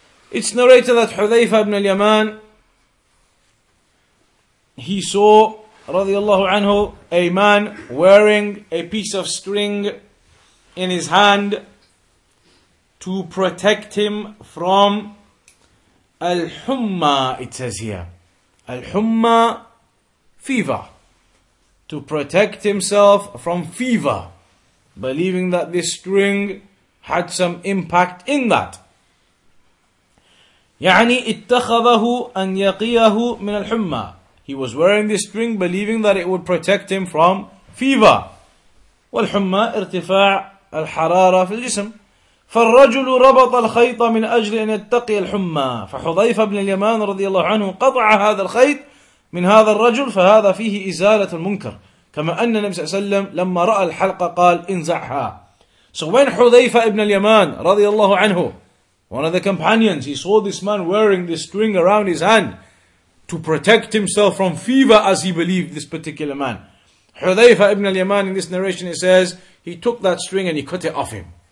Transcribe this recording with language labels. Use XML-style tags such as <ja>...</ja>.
<en>It's narrated that Hudhayfa ibn al-Yaman, he saw,</en> <ar>رضي الله عنه,</ar> <en>a man wearing a piece of string in his hand to protect him from Al-Humma, it says here. Al-Humma, fever. To protect himself from fever. Believing that this string had some impact in that.</en> <ar>يعني اتخذه أن يقيه من الحمى.</ar> <en>He was wearing this string believing that it would protect him from fever.</en> <ar>والحمى ارتفاع الحرارة في الجسم. فالرجل ربط الخيط من أجل أن يتقي الحمى فحذيفة بن اليمان رضي الله عنه قطع هذا الخيط من هذا الرجل فهذا فيه إزالة المنكر كما أن النبي صلى الله عليه وسلم لما رأى الحلقة قال انزعها.</ar> <en>So when حذيفة بن اليمان</en> <ar>رضي الله عنه,</ar> <en>one of the companions, he saw this man wearing this string around his hand to protect himself from fever, as he believed this particular man. حذيفة بن اليمان, in this narration it says, he took that string and he cut it off him.</en>